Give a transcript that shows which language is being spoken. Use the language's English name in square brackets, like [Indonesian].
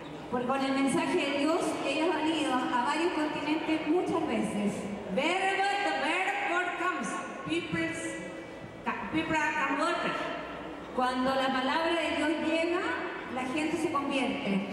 [Spanish] Porque con el mensaje de Dios, ella ha venido a varios continentes muchas veces. [English] Wherever the word of God comes, people are converted. [Spanish] Cuando la palabra de Dios llega, la gente se convierte.